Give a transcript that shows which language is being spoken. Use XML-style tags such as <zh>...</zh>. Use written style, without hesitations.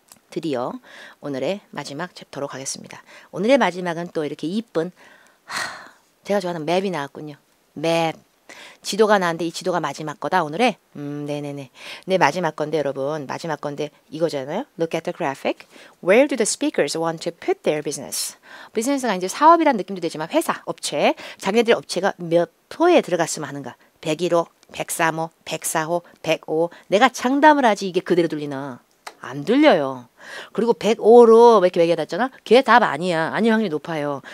<ko>드디어 오늘의 마지막 챕터로 가겠습니다. 오늘의 마지막은 또 이렇게 이쁜 제가 좋아하는 맵이 나왔군요. 맵. 지도가 나왔는데 이 지도가 마지막 거다 오늘의? 네네네. 네 마지막 건데 여러분 마지막 건데 이거잖아요.</ko> <en>Look at the graphic. Where do the speakers want to put their business?</en> <ko>비즈니스가 이제 사업이란 느낌도 되지만 회사, 업체. 자기네들 업체가 몇 호에 들어갔으면 하는가? 101호, 103호, 104호, 105. 내가 장담을 하지 이게 그대로 들리나? 안 들려요. 그리고 105로 이렇게 얘기해놨잖아. 그게 답 아니야. 아닐 확률이 높아요.</ko>